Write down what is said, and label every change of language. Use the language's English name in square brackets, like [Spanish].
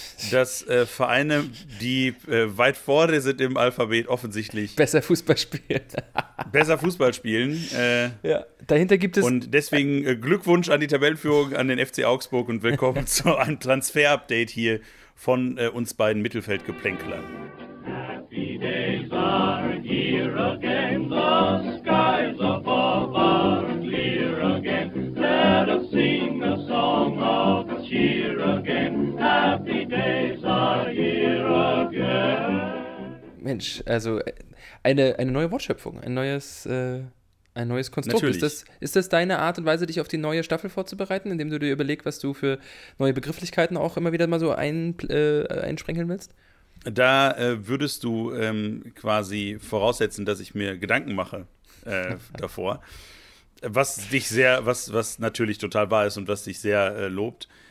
[German] dass Vereine, die weit vorne sind im Alphabet, offensichtlich Besser Fußball spielen. besser Fußball spielen. Ja, dahinter gibt es. Und deswegen Glückwunsch an die Tabellenführung, an den FC Augsburg und willkommen zu einem Transfer-Update hier von uns beiden Mittelfeldgeplänkelern. [English] Happy days are here again, the skies above are clear again. Let us sing a song of cheer again. Happy days are here again. [German] Mensch, also eine neue Wortschöpfung, ein neues Konstrukt. Ist Natürlich. das deine Art und Weise, dich auf die neue Staffel vorzubereiten, indem du dir überlegst, was du für neue Begrifflichkeiten auch immer wieder mal so einsprenkeln willst? Da würdest du quasi voraussetzen, dass ich mir Gedanken mache davor, was natürlich total wahr ist und was dich sehr lobt.